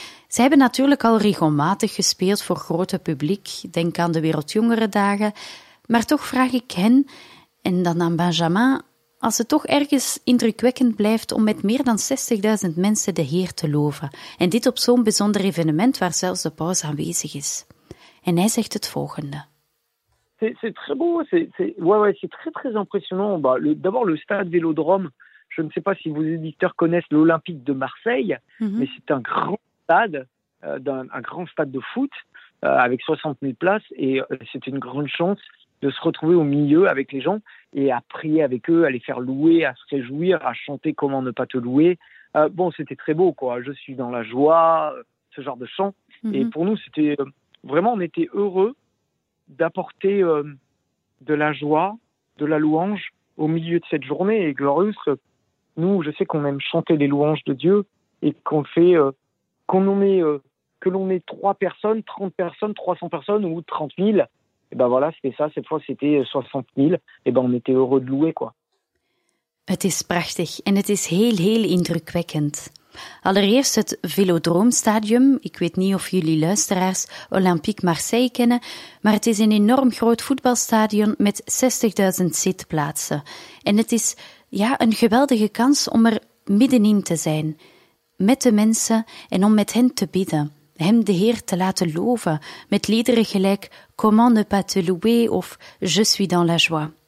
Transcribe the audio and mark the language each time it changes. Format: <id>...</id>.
<nl>Ze hebben natuurlijk al regelmatig gespeeld voor grote publiek, denk aan de Wereldjongerendagen, maar toch vraag ik hen, en dan aan Benjamin, als het toch ergens indrukwekkend blijft om met meer dan 60.000 mensen de Heer te loven, en dit op zo'n bijzonder evenement waar zelfs de paus aanwezig is. En hij zegt het volgende.</nl> <fr>C'est très beau, c'est très très impressionnant. Bah, d'abord le stade Vélodrome, je ne sais pas si vos éditeurs connaissent l'Olympique de Marseille, mais c'est un grand stade, un grand stade de foot avec 60 000 places et c'est une grande chance de se retrouver au milieu avec les gens et à prier avec eux, à les faire louer, à se réjouir, à chanter comment ne pas te louer. Bon, c'était très beau quoi, je suis dans la joie, ce genre de chant. Mm-hmm. Et pour nous, c'était vraiment, on était heureux d'apporter de la joie, de la louange au milieu de cette journée. Et Glorious, nous, je sais qu'on aime chanter les louanges de Dieu et qu'on fait, que l'on ait 3 personnes, 30 personnes, 300 personnes ou 30 000. Et ben voilà, c'était ça. Cette fois, c'était 60 000. Et ben, on était heureux de louer, quoi.</fr> <nl>Het is prachtig en het is heel, heel indrukwekkend. Allereerst het Velodroomstadium. Ik weet niet of jullie luisteraars Olympique Marseille kennen, maar het is een enorm groot voetbalstadion met 60.000 zitplaatsen. En het is ja, een geweldige kans om er middenin te zijn, met de mensen en om met hen te bidden, hem de Heer te laten loven, met liederen gelijk Comment ne pas te louer of Je suis dans la joie.</nl>